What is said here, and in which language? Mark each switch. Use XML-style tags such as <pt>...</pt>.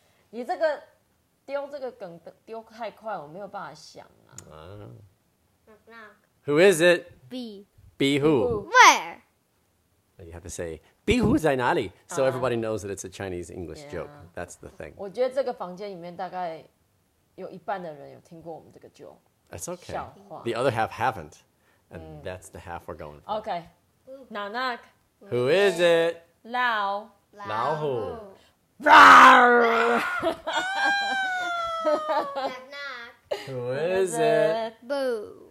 <zh>你这个丢这个梗丢太快，我没有办法想啊。</zh> <en>Who is it? B. B who? Where? You have to say, B who</en> <zh>在哪里?</zh> <en>So everybody knows that it's a Chinese-English joke. That's the thing.</en> <zh>我觉得这个房间里面大概有一半的人有听过我们这个 joke。</zh> <en>That's okay. The other half haven't. And that's the half we're going for. Okay. Knock knock. Who is it? Lao. Lao who? Rawr! Knock knock. Who is it? Boo.</en>